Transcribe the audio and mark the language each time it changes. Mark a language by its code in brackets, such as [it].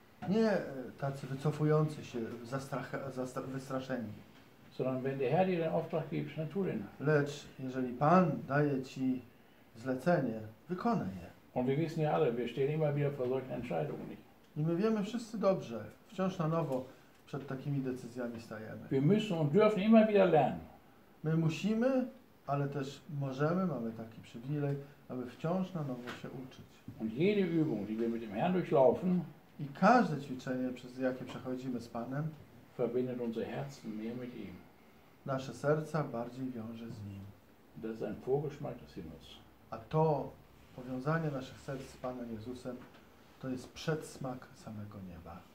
[pl] Nie tacy wycofujący się, wystraszeni. [de] Sondern wenn der Herr dir den Auftrag gibt, dann tu den. [pl] Lecz jeżeli Pan daje ci zlecenie, wykonaj je. [de] Und wir wissen ja alle, wir stehen immer wieder vor solchen Entscheidungen. [pl] I my wiemy wszyscy dobrze, wciąż na nowo przed takimi decyzjami stajemy. [de] Wir müssen und dürfen immer wieder lernen. [pl] My musimy, ale też możemy, mamy taki przywilej, aby wciąż na nowo się uczyć. [de] Und jede Übung, die wir mit dem Herrn durchlaufen, [pl] i każde ćwiczenie, przez jakie przechodzimy z Panem, [de] verbindet unser Herz mehr mit ihm. [pl] Nasze serca bardziej wiąże z nim. [de] Das ist ein Vorgeschmack des Himmels. [pl] A to powiązanie naszych serc z Panem Jezusem, to jest przedsmak samego nieba.